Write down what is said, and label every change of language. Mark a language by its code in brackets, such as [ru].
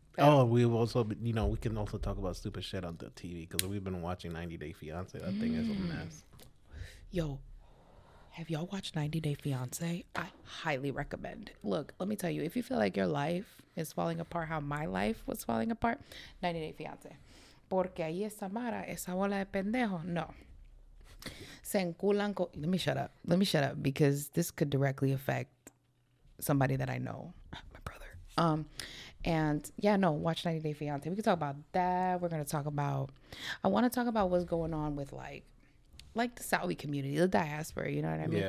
[en] Oh, we've also, you know, we can also talk about stupid shit on the TV, because we've been watching 90 Day Fiancé. That thing is a mess. Yo, have y'all watched 90 Day Fiancé? I highly recommend. Look, let me tell you, if you feel like your life is falling apart, how my life was falling apart, 90 Day Fiancé. [es] Porque ahí esa mara, esa bola de pendejo, no. Se enculan con... [en] Let me shut up, because this could directly affect somebody that I know. My brother. And yeah, no, watch 90 Day Fiancé. We can talk about that. I want to talk about what's going on with like the Saudi community, the diaspora, you know what I mean? Yeah.